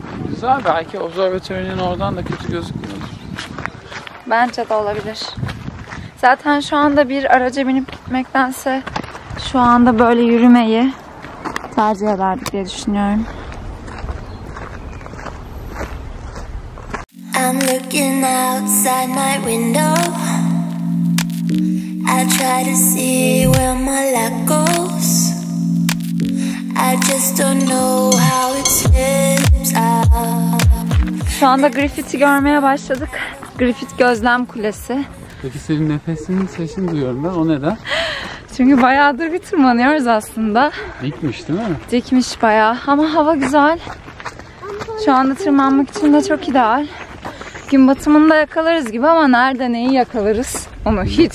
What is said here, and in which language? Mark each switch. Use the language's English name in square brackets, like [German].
[Turkish] Güzel, belki observatörünün oradan da kötü gözükmüyor. Bence de olabilir. Zaten şu anda bir araca binip gitmektense şu anda böyle yürümeyi tercih ederdik diye düşünüyorum. [English] I'm looking outside my window. I try to see where my luck goes. I just don't know how it slips out. [Turkish] Şu anda grafiti görmeye başladık. Grafit Gözlem Kulesi. Peki senin nefesinin sesini duyuyorum ben. O neden? Çünkü bayağıdır bir tırmanıyoruz aslında. Dikmiş değil mi? Dikmiş bayağı. Ama hava güzel. Şu anda tırmanmak için de çok ideal. Gün batımında yakalarız gibi ama nerede neyi yakalarız onu hiç bilmiyorum.